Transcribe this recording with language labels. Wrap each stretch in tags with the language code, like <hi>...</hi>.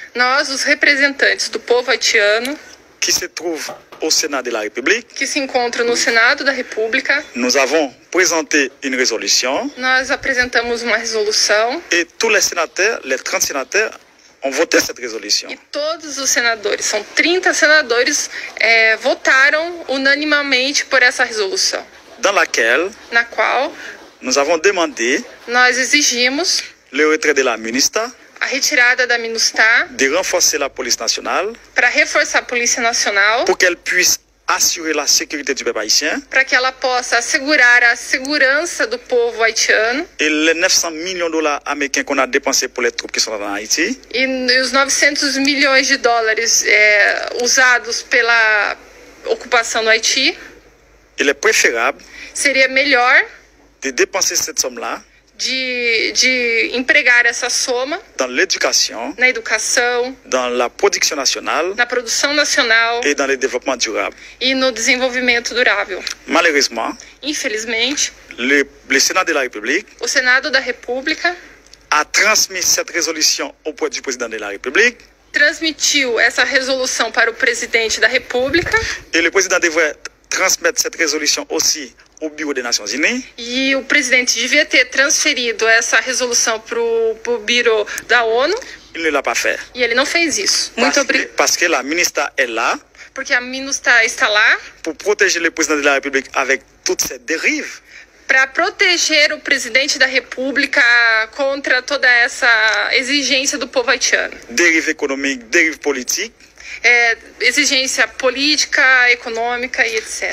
<pt>nós, os representantes do povo haitiano,</pt> <fr>qui se trouvent au Sénat de la République.</fr> <pt>Que se encontra no Senado da República.</pt> <fr>Nous avons présenté une résolution.</fr> <pt>Nós apresentamos uma resolução.</pt> <fr>Et tous les sénateurs, les 30 sénateurs, ont voté cette résolution.</fr> <pt>E todos os senadores, são 30 senadores, votaram unanimemente por essa resolução.</pt> <fr>Dans laquelle.</fr> <pt>Na qual.</pt> <fr>Nous avons demandé.</fr> <pt>Nós exigimos.</pt> <fr>Le retrait de la ministre.</fr> <pt>A retirada da MINUSTAH.</pt> <fr>De renforcer la police nationale.</fr> <pt>Para reforçar a polícia nacional.</pt> <fr>Pour qu'elle puisse assurer la sécurité du peuple haïtien.</fr> <pt>Para que ela possa assegurar a segurança do povo haitiano.</pt> <fr>Et les 900 millions de dollars américains qu'on a dépensé pour les troupes qui sont dans Haïti.</fr> <pt>E os 900 milhões de dólares usados pela ocupação no Haiti.</pt> <fr>Il est préférable.</fr> <pt>Seria melhor.</pt> <fr>De dépenser cette somme-là.</fr> <pt>De empregar essa soma</pt> <fr>dans l'éducation,</fr> <pt>na educação,</pt> <fr>dans la production nationale,</fr> <pt>na produção nacional,</pt> <fr>et dans le développement durable.</fr> <pt>E no desenvolvimento durável.</pt> <fr>Malheureusement,</fr> <pt>infelizmente,</pt> <fr>le Sénat de la République,</fr> <pt>o Senado da República,</pt> <fr>a transmis cette résolution auprès du président de la République.</fr> <pt>Transmitiu essa resolução para o presidente da República.</pt> <fr>Et le président devrait transmettre cette résolution aussi au bureau des Nations Unies.</fr> <pt>E o presidente devia ter transferido essa resolução para o bureau da ONU.</pt> <fr>Il ne l'a pas fait.</fr> <pt>E ele não fez isso.</pt> <fr>Parce que la ministre est là.</fr> <pt>Porque a ministra está lá.</pt> <fr>Pour protéger le président de la République avec toutes ses dérives.</fr> <pt>Para proteger o presidente da República contra toda essa exigência do povo haitiano.</pt> <fr>Dérive économique, dérive politique.</fr> <pt>Exigência política, econômica e etc.</pt>